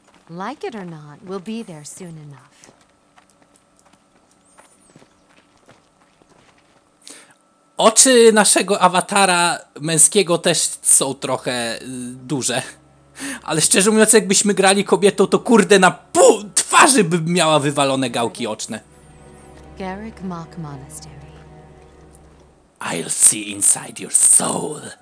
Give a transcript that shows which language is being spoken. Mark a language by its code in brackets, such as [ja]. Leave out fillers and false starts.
[en] Like it or not, we'll be there soon enough. [pl] Oczy naszego awatara męskiego też są trochę duże. Ale szczerze mówiąc, jakbyśmy grali kobietą, to kurde na pół twarzy by miała wywalone gałki oczne. [en] Garrick Mock Monastery. I'll see inside your soul.